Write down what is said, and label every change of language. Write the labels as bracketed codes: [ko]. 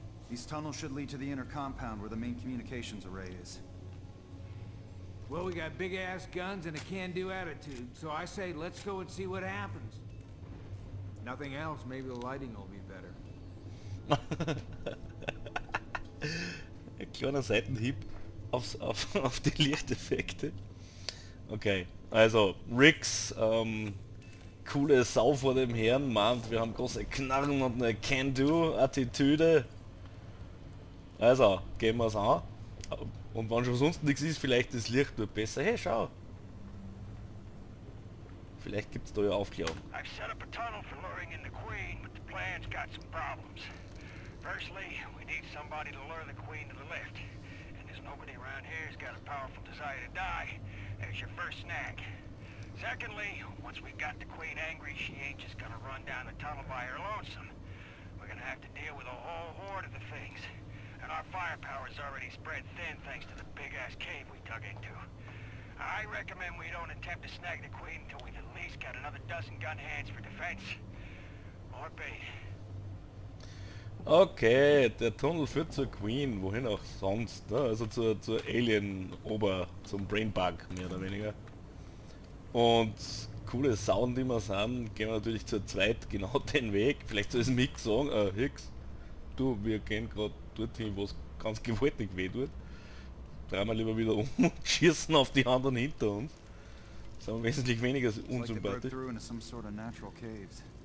[en] These tunnels should lead to the inner compound where the main communications array is. Well, we got big-ass guns and a can-do attitude, so I say let's go and see what happens. Nothing else, maybe the lighting will be better. [de] Ein kleiner Seitenhieb auf die Lichteffekte. Okay, also Riggs, coole Sau vor dem Herrn, meint, wir haben große Knarren und eine Can-Do-Attitüde. Also, gehen wir's an. Und wenn schon sonst nichts ist, vielleicht das Licht nur besser. Hey, schau! Vielleicht gibt's da ja Aufklärung. [en] I've set up a tunnel for luring in the Queen, but the plan's got some problems. Firstly, we need somebody to lure the Queen to the lift. And there's nobody around here who's got a powerful desire to die. There's your first snack. Secondly, once we've got the Queen angry, she ain't just gonna run down the tunnel by her lonesome. We're gonna have to deal with a whole horde of the things. And our firepower's already spread thin thanks to the big-ass cave we dug into. I recommend we don't attempt to snag the Queen until we've at least got another dozen gun hands for defense. More bait. [de] Okay, der Tunnel führt zur Queen, wohin auch sonst, ne? Also zur Alien-Ober, zum Brainbug, mehr oder weniger. Und coole Sound, die wir sind, gehen wir natürlich zu zweit genau den Weg. Vielleicht soll es Mick sagen, Hicks, du, wir gehen gerade dorthin, wo es ganz gewaltig weh tut. dreimal lieber wieder um und schießen auf die anderen hinter uns. Das ist aber wesentlich weniger unsympathisch. [en] Like some sort of natural caves.